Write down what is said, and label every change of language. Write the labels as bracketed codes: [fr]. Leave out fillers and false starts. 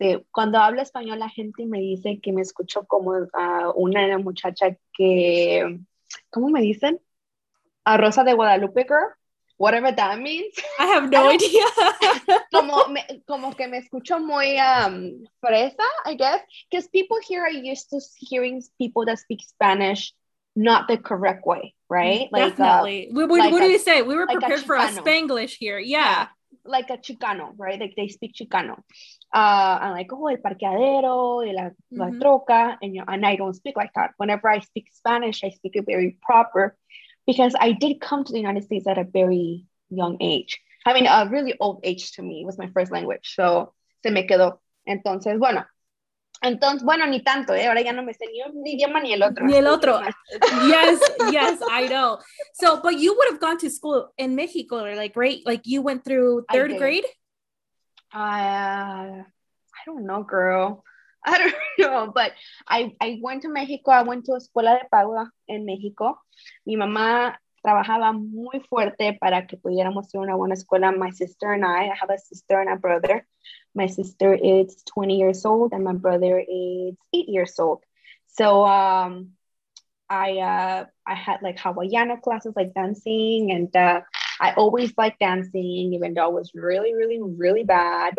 [es] Cuando hablo español, la gente me dice que me escucho como una muchacha que... ¿Cómo me dicen? A Rosa de Guadalupe, [en] girl. Whatever that means. I have no idea. [es] como que me escucho muy fresa, [en] I guess. Because people here are used to hearing people that speak Spanish not the correct way, right? Like, definitely. What do you say? We were prepared like for a Spanglish here. Yeah. Like a Chicano, right? Like they speak Chicano. I'm like, oh, [es] el parqueadero, la troca, [en] and I don't speak like that. Whenever I speak Spanish, I speak it very proper because I did come to the United States at a very young age. I mean, a really old age to me. It was my first language. So, [es] se me quedó. Entonces, bueno, ni tanto, ¿eh? Ahora ya no me sé ni un idioma ni el otro. Ni el otro. [en] Yes, yes, I know. So, but you would have gone to school in Mexico, or like, right? Like, you went through third grade? I don't know, girl. I don't know, but I went to Mexico. I went to Escuela de Pago in Mexico. [es] Mi mamá trabajaba muy fuerte para que pudiéramos ir a una buena escuela. [en] My sister and I have a sister and a brother. My sister is 20 years old and my brother is 8 years old. So I had like Hawaiiana classes, like dancing, and I always liked dancing, even though it was really, really, really bad.